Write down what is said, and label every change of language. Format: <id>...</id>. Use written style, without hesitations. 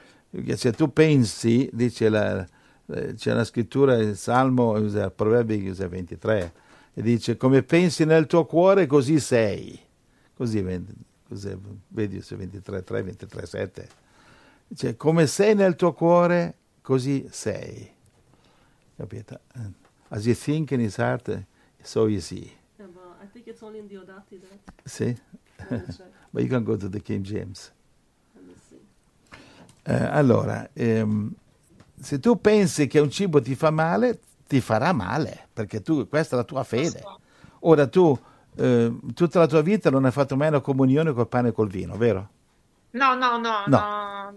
<it>Perché se tu pensi, c'è la scrittura, il Salmo, il Proverbi 23, e dice: come pensi nel tuo cuore, così sei. Così, vedi se 23, 3, 23, 7. Cioè, come sei nel tuo cuore, così sei. Capito?</it> <en>As you think in his heart, so you see. Yeah, but I think it's only in the Odati that. See? But you can go to the King James.</en> <it>Allora, se tu pensi che un cibo ti fa male, ti farà male, perché tu, questa è la tua fede. Ora tu, tutta la tua vita non hai fatto mai una comunione col pane e col vino, vero? No.</it>